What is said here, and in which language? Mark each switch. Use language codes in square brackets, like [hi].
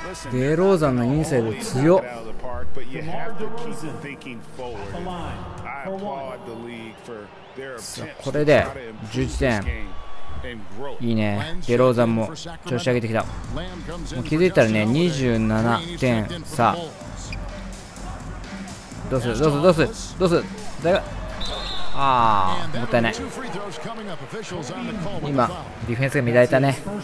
[ja] デローザンのインサイド強。 [en] But you have to keep thinking forward. I applaud the league for their attempts to try to improve this game. [ja] いいね、デローザンも調子上げてきた。もう気づいたらね、27点差。どうする、どうする、どうする、どうする、誰が、あー、もったいない。今ディフェンスが乱れたね。